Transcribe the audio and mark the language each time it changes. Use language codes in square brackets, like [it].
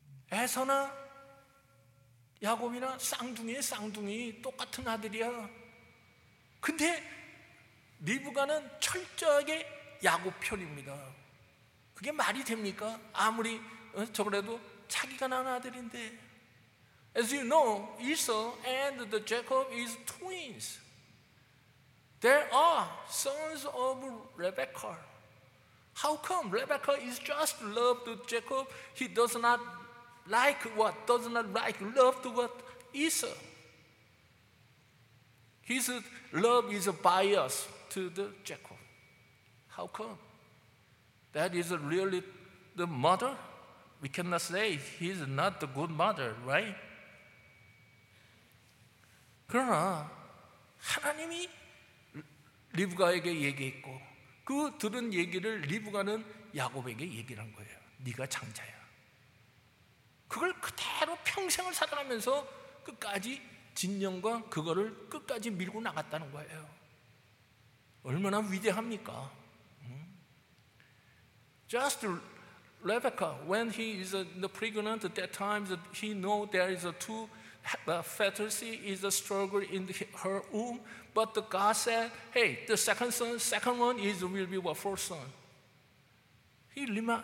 [ko] 에서나 야곱이나 쌍둥이의 쌍둥이 똑같은 아들이야. 근데 리브가는 철저하게 야곱 편입니다. 그게 말이 됩니까? 아무리 저번에도 자기가 낳은 아들인데. [en] As you know, Esau and the Jacob is twins. They are sons of Rebecca. How come Rebecca is just loved Jacob? He does not like what? Does not like loved what? Esau. His love is biased to the Jacob. How come? That is really the mother? We cannot say he's not the good mother, right? [ko] 그러나 하나님이 리브가에게 얘기했고 그 들은 얘기를 리브가는 야곱에게 얘기를 한 거예요. 네가 장자야. 그걸 그대로 평생을 살아가면서 끝까지 진영과 그거를 끝까지 밀고 나갔다는 거예요. 얼마나 위대합니까? [en] Just Rebecca, when he is pregnant at that time, he know there is two fetuses is a struggle in her womb. But God said, hey, the second one will be what first son.